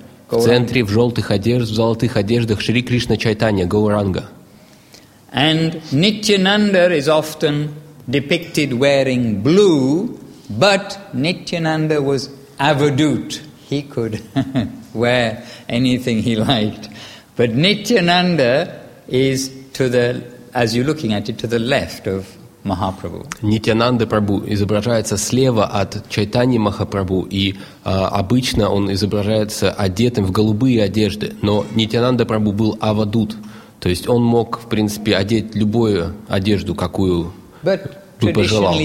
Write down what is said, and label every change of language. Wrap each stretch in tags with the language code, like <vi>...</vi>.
<ru>В центре в желтых одеждах, в золотых одеждах Шри Кришна Чайтанья, Гауранга.</ru> <en>And Nityananda is often depicted wearing blue, but Nityananda was avadut. He could wear anything he liked. But Nityananda is to the, as you're looking at it, to the left of Mahaprabhu.</en> <ru>Nityananda Prabhu изображается слева от Чайтаньи Махапрабху, и обычно он изображается одетым в голубые одежды. Но Nityananda Prabhu был авадут. То есть он мог, в принципе, одеть любую одежду, какую бы пожелал.</ru>